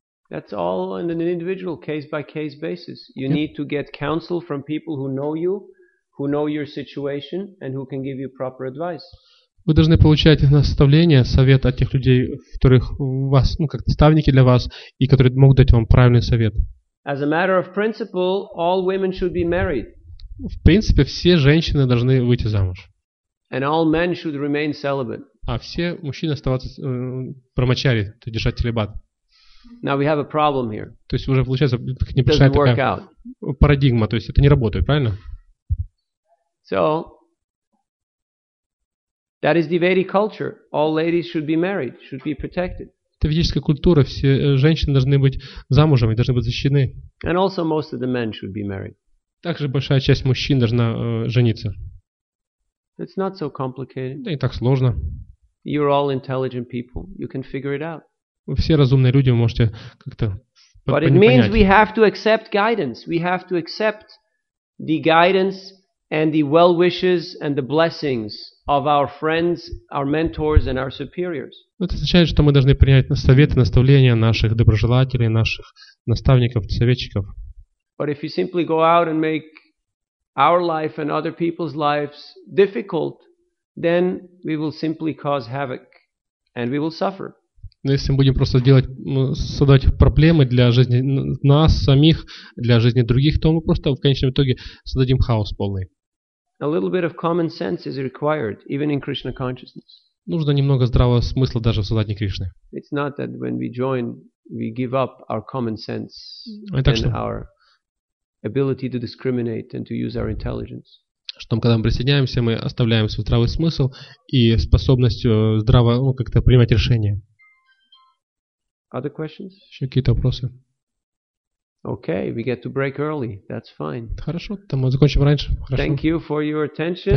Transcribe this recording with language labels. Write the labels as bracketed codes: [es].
[en] That's all on an individual case-by-case basis. You need to get counsel from people who know you, who know your situation, and who can give you proper advice. [ru] Вы должны получать наставление, совет от тех людей, которых у вас, ну, как наставники для вас, и которые могут дать вам правильный совет. [en] As a matter of principle, all women should be married. [ru] В принципе, все женщины должны выйти замуж. [en] And all men should remain celibate. [ru] А все мужчины оставаться брахмачари, то есть держать целибат. [en] Now we have a problem here. [ru] То есть уже получается, не пришла такая парадигма, то есть это не работает, правильно? [en] So, that is the Vedic culture. All ladies should be married, should be protected. [ru] Это ведическая культура. Все женщины должны быть замужем и должны быть защищены. [en] And also most of the men should be married. [ru] Также большая часть мужчин должна жениться. [en] It's not so complicated. [ru] Да и так сложно. [en] You're all intelligent people. You can figure it out. [ru] Вы все разумные люди, вы можете как-то понять. [en] But it means we have to accept guidance. We have to accept the guidance and the well wishes and the blessings of our friends, our mentors and our superiors. [ru] Это означает, что мы должны принять советы, наставления наших доброжелателей, наших наставников, советчиков. [en] But if you simply go out and make our life and other people's lives difficult, then we will simply cause havoc and we will suffer. [ru] Если мы будем просто создавать проблемы для жизни нас самих, для жизни других, то мы просто в конечном итоге создадим хаос полный. [en] A little bit of common sense is required, even in Krishna consciousness. [ru] Нужно немного здравого смысла даже в сознании Кришны. [en] It's not that when we join, we give up our common sense and our ability to discriminate and to use our intelligence. [ru] Что когда мы присоединяемся, мы оставляем свой здравый смысл и способность здраво как-то принимать решения. [en] Other questions? [ru] Еще какие-то вопросы? [en] Okay, we get to break early. That's fine. [ru] Хорошо, мы закончим раньше. Хорошо. [en] Thank you for your attention.